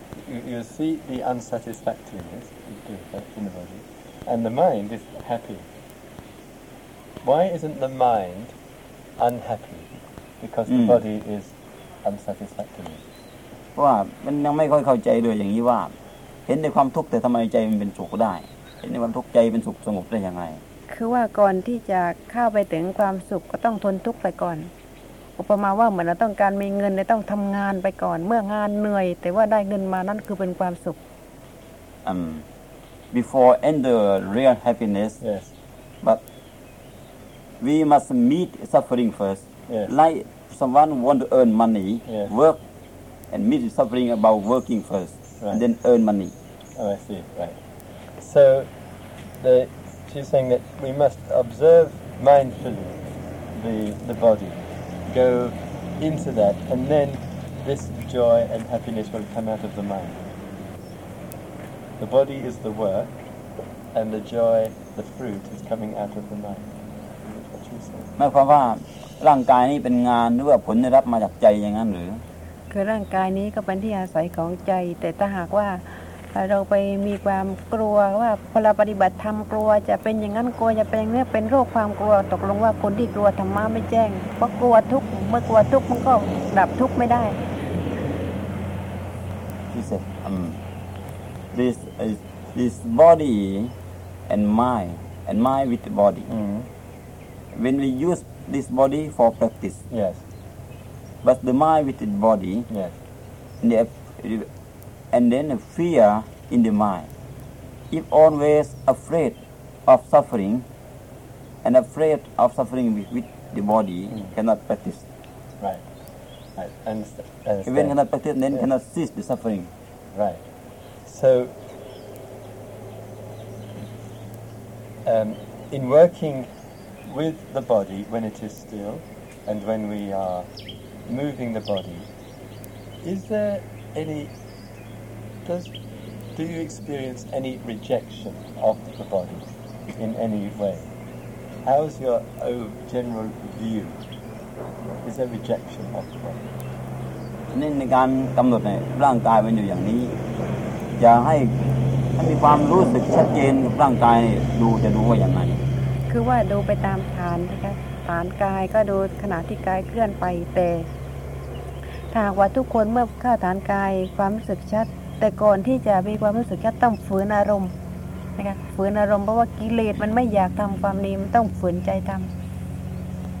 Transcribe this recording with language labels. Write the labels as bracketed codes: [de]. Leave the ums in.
[en] You, you see the unsatisfactoriness in the body, and the mind is happy. Why isn't the mind unhappy? Because the Mm. body is unsatisfactory. [th] เพราะว่ามันยังไม่ค่อยเข้าใจเลยอย่างนี้ว่า เห็นในความทุกข์แต่ทำไมใจมันเป็นสุขได้ เห็นในความทุกข์ใจเป็นสุขสงบได้ยังไง คือว่าก่อนที่จะเข้าไปถึงความสุขก็ต้องทนทุกข์ไปก่อน อุปมาว่าเหมือนเราต้องการมีเงินเลยต้องทำงานไปก่อน เมื่องานเหนื่อย แต่ว่าได้เงินมานั่นคือเป็นความสุข [en] um, before enter real happiness. Yes. But we must meet suffering first. Yes. Like someone want to earn money, Yes. work, and meet suffering about working first, Right. and then earn money. Oh, I see. Right. So, the, she's saying that we must observe mindfully the the body, go into that, and then this joy and happiness will come out of the mind. The body is the work, and the joy, the fruit, is coming out of the mind. That's what she said. [th] หมายความว่าร่างกายนี่เป็นงานหรือว่าผลได้รับมาจากใจอย่างนั้นหรือ คือร่างกายนี้ก็เป็นที่อาศัยของใจ แต่ถ้าหากว่าเอ่อเราไปมีความกลัวว่าพอเราปฏิบัติธรรมกลัว จะเป็นอย่างนั้นกลัวจะเป็นอย่างนี้เป็นโรคความกลัวตกลงว่าคนที่กลัวธรรมะไม่แจ้งเพราะกลัวทุกข์เมื่อกลัวทุกข์มันก็ดับทุกข์ไม่ได้ [en] He said, um, this is this body and mind and mind with the body. Mm. When we use this body for practice, Yes. but the mind with the body Yes. and, the, and then the fear in the mind. If always afraid of suffering and afraid of suffering with, with the body, Mm. cannot practice. Right. Right. And, and Even cannot practice, then Yeah. cannot cease the suffering. Right. So, um, in working with the body when it is still and when we are moving the body, is there any, does, do you experience any rejection of the body in any way? How's your oh, general view? Is there rejection of the body? [th] นี่ในการกำหนดเนี่ยร่างกายมันอยู่อย่างนี้อย่าให้ให้มีความรู้สึกชัดเจนกับร่างกายเนี่ยดูจะดูว่าอย่างไร คือว่าดูไปตามฐานนะคะฐานกายก็ดูขณะที่กายเคลื่อนไปแต่ถ้าหากว่าทุกคนเมื่อเข้าฐานกายความรู้สึกชัด แต่ก่อนที่จะมีความรู้สึกชัดต้องฝืนอารมณ์นะคะฝืนอารมณ์เพราะว่ากิเลสมันไม่อยากทำความดีมันต้องฝืนใจทำ